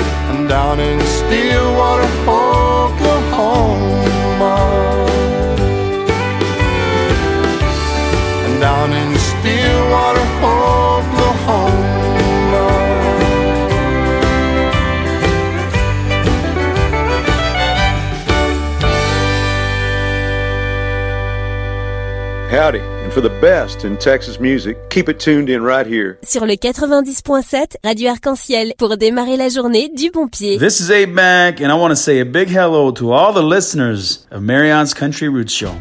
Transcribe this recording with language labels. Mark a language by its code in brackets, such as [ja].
[en] And down in Stillwater, Oklahoma, and down in Stillwater, Oklahoma, howdy, and for the best in Texas music, keep it tuned in right here. [fr] Sur le 90.7, Radio Arc-en-Ciel, pour démarrer la journée du bon pied. [en] This is Abe Mack, and I want to say a big hello to all the listeners of Marion's Country Roots Show.